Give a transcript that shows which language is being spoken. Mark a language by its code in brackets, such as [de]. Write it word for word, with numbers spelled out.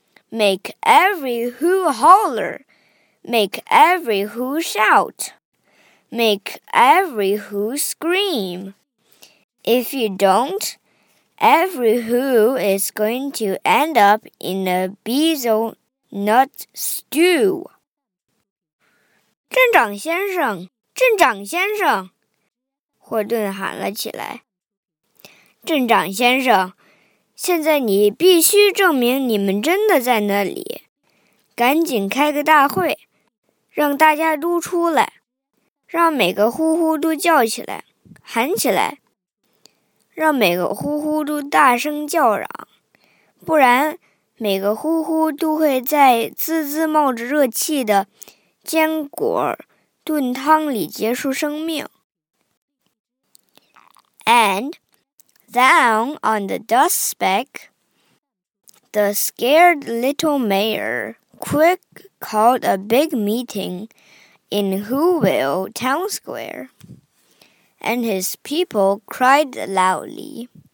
[en] Make every who holler. Make every who shout. Make every who scream. If you don't, every who is going to end up in a bezel nut stew. [zh] 镇长先生，镇长先生，霍顿喊了起来。镇长先生，现在你必须证明你们真的在那里，赶紧开个大会，让大家都出来。让每个呼呼都叫起来，喊起来，让每个呼呼都大声叫嚷，不然每个呼呼都会在滋滋冒着热气的坚果炖汤里结束生命。 [en] And down on the dust speck, the scared little mayor quick called a big meeting. In Whoville Town Square, and his people cried loudly.